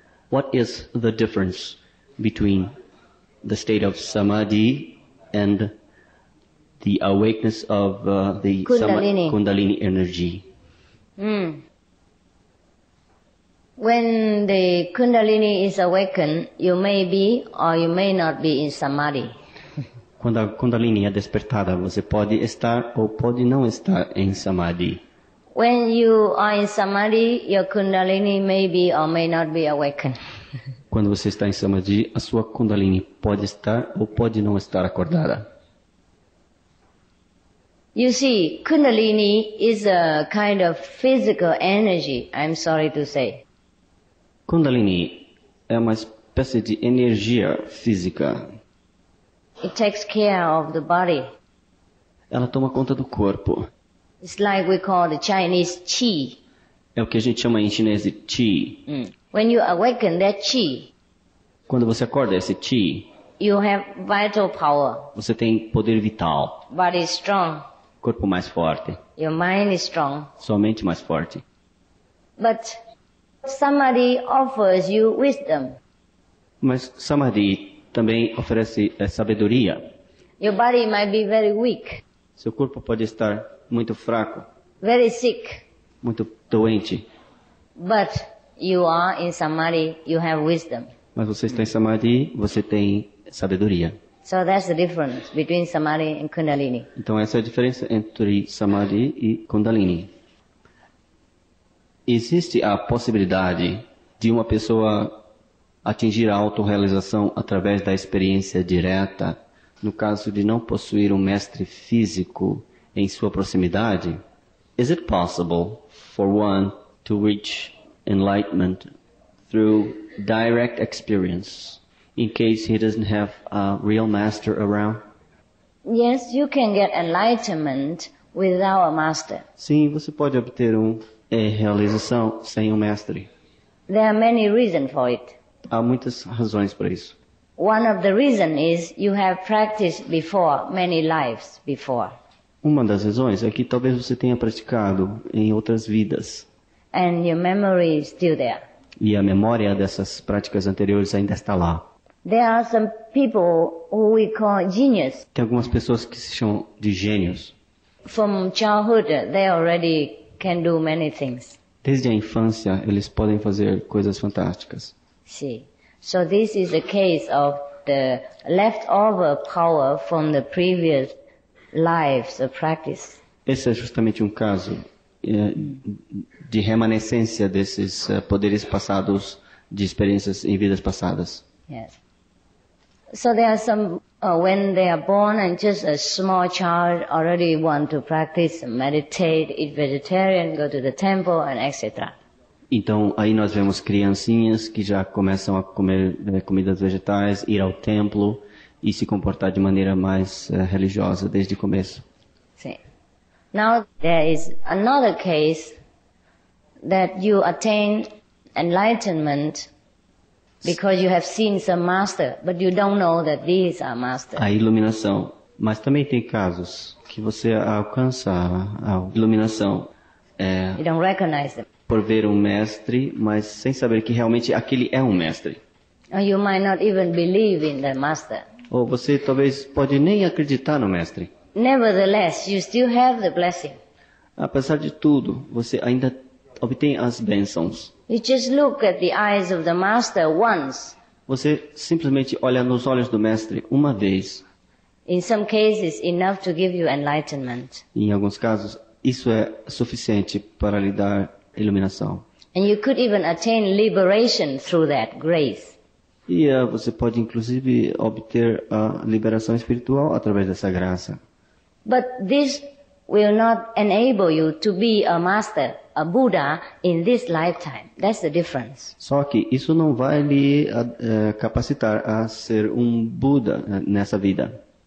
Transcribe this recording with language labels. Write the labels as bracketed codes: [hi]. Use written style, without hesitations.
[en] What is the difference between the state of Samadhi and the awakeness of the Kundalini, Kundalini energy? When the Kundalini is awakened, you may be or you may not be in Samadhi. [pt] Quando a Kundalini é despertada, você pode estar ou pode não estar em Samadhi. [en] When you are in Samadhi, your Kundalini may be or may not be awakened. [pt] Quando você está em Samadhi, a sua Kundalini pode estar ou pode não estar acordada. [en] You see, Kundalini is a kind of physical energy, I'm sorry to say. [pt] Kundalini é uma espécie de energia física. [en] It takes care of the body. [pt] Ela toma conta do corpo. [en] It's like we call the Chinese qi. [pt] É o que a gente chama em chinês de qi. [en] When you awaken that qi. [pt] Quando você acorda esse qi. [en] You have vital power. [pt] Você tem poder vital. [en] Body is strong. [pt] Corpo mais forte. [en] Your mind is strong. [pt] Sua mente mais forte. [en] But Samadhi offers you wisdom. [pt] Mas Samadhi também oferece sabedoria. [en] Your body might be very weak. [pt] Seu corpo pode estar muito fraco. [en] Very sick. [pt] Muito doente. [en] But you are in Samadhi, you have wisdom. [pt] Mas você está em Samadhi, você tem sabedoria. [en] So that's the difference between Samadhi and Kundalini. [pt] Então essa é a diferença entre Samadhi e Kundalini. Existe a possibilidade de uma pessoa atingir a autorrealização através da experiência direta, no caso de não possuir um mestre físico em sua proximidade? [en] Is it possible for one to reach enlightenment through direct experience in case he doesn't have a real master around? Yes, you can get enlightenment without a master. [pt] Sim, você pode obter realização sem mestre. [en] There are many reasons for it. [pt] Há muitas razões para isso. [en] One of the reasons is you have practiced before, many lives before. [pt] Uma das razões é que talvez você tenha praticado em outras vidas. [en] And your memory is still there. [pt] E a memória dessas práticas anteriores ainda está lá. [en] There are some people who we call genius. [pt] Tem algumas pessoas que se chamam de gênios. [en] From childhood, they already can do many things. [pt] Desde a infância, eles podem fazer coisas fantásticas. Sim. [en] So this is a case of the leftover power from the previous lives of practice. [pt] Esse é justamente caso de remanescência desses poderes passados de experiências em vidas passadas. [en] Yes. So there are some when they are born and just a small child already want to practice, meditate, eat vegetarian, go to the temple and etc. [pt] Então aí nós vemos criancinhas que já começam a comer comidas vegetais, ir ao templo e se comportar de maneira mais religiosa desde o começo. Sim. [en] Now there is another case that you attain enlightenment because you have seen some master, but you don't know that these are master. [pt] A iluminação. Mas também tem casos que você alcança a iluminação. [en] You don't recognize them. [pt] Por ver mestre, mas sem saber que realmente aquele mestre. [en] Or you might not even believe in the master. [pt] Ou você talvez pode nem acreditar no mestre. [en] Nevertheless, you still have the blessing. [pt] Apesar de tudo, você ainda obtém as bênçãos. [en] You just look at the eyes of the master once. [pt] Você simplesmente olha nos olhos do mestre uma vez. [en] In some cases, enough to give you enlightenment. [pt] Em alguns casos, isso é suficiente para lhe dar iluminação. [en] And you could even attain liberation through that grace. [pt] E você pode inclusive obter a liberação espiritual através dessa graça. [en] But this will not enable you to be a master, a Buddha in this lifetime. That's the difference. [pt] Só que isso não vai lhe capacitar a ser Buda nessa vida.